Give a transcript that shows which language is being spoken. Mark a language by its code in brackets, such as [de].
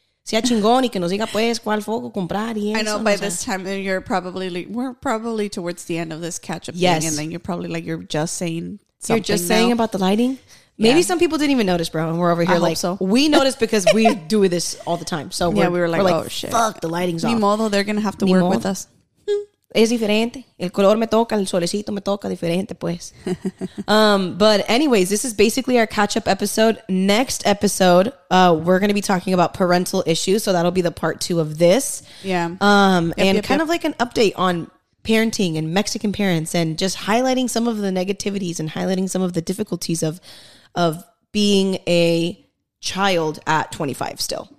[es] Sea chingón y que nos diga pues cuál foco comprar y eso. [en] I know by this time you're probably like, we're probably towards the end of this catch up yes. thing, and then you're probably like, you're just saying something. You're just saying about the lighting? Maybe yeah. some people didn't even notice, bro, and we're over here I like so. We noticed because we do this all the time. So yeah, we were like, oh shit. Fuck, the lighting's off. [es] Ni modo, [en] they're gonna have to work with us. [es] Es diferente. El color me toca, el solecito me toca diferente, pues. [en] But anyways, this is basically our catch-up episode. Next episode, we're going to be talking about parental issues, so that'll be the part two of this. Yeah. Kind of like an update on parenting and Mexican parents, and just highlighting some of the negativities and highlighting some of the difficulties of being a child at 25 still.